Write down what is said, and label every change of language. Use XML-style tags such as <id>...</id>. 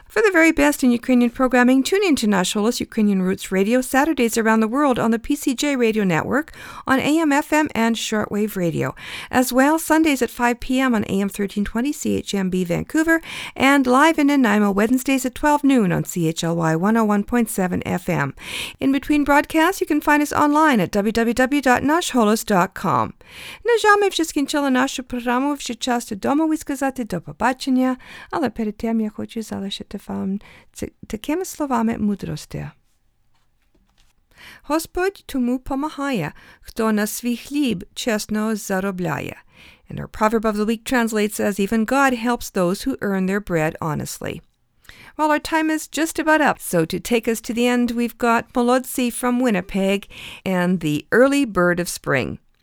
<en>very best in Ukrainian programming, tune in to Nash Holos Ukrainian Roots Radio Saturdays around the world on the PCJ Radio Network, on AM, FM, and shortwave radio. As well, Sundays at 5 p.m. on AM 1320 CHMB Vancouver, and live in Nanaimo Wednesdays at 12 noon on CHLY 101.7 FM. In between broadcasts, you can find us online at www.nashholos.com.</en> <uk>Нажами вже скінчили нашу програму, вже час додому висказати до побачення, але перед тим я хочу залишити вам такими словами мудрості. Господь тому помагає, хто на свій хліб чесно заробляє.</uk> <en>And our proverb of the week translates as, even God helps those who earn their bread honestly. Well, our time is just about up, so to take us to the end, we've got Molodsi from Winnipeg and the early bird of spring.</en>